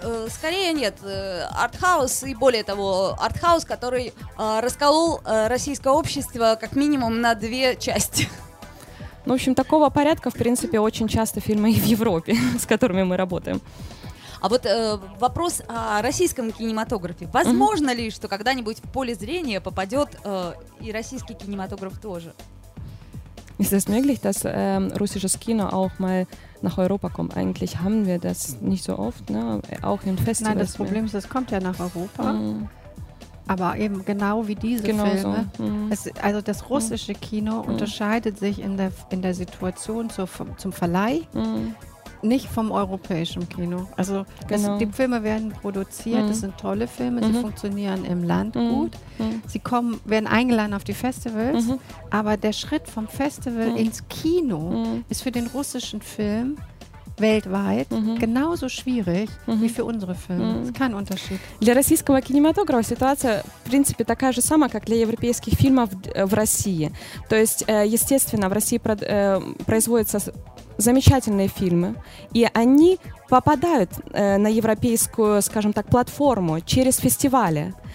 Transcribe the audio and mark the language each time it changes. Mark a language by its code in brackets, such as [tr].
[ru] Скорее нет, артхаус и более того, артхаус, который расколол российское общество как минимум на две части. Ну, в общем, такого порядка, в принципе, очень часто фильмы и в Европе, с которыми мы работаем. А вот вопрос о российском кинематографе. Возможно ли, что когда-нибудь в поле зрения попадет и российский кинематограф тоже? [de] Ist es möglich, dass russisches Kino auch mal nach Europa kommt? Eigentlich haben wir das nicht so oft, ne? Auch in Festivals. Nein, das Problem ist, es kommt ja nach Europa. Aber eben genau wie diese Filme. Also das russische Kino unterscheidet sich in der Situation zum Verleih nicht vom europäischen Kino. Also die Filme werden produziert, das sind tolle Filme, sie funktionieren im Land gut. Sie werden eingeladen auf die Festivals, aber der Schritt vom Festival ins Kino ist für den russischen Film weltweit genauso schwierig wie für unsere Filme. Es ist kein Unterschied. [ru] Для российского кинематографа ситуация, в принципе, такая же самая, как для европейских фильмов в России. То есть, естественно, в России производится замечательные фильмы, и они попадают на европейскую, скажем так, платформу через фестивали.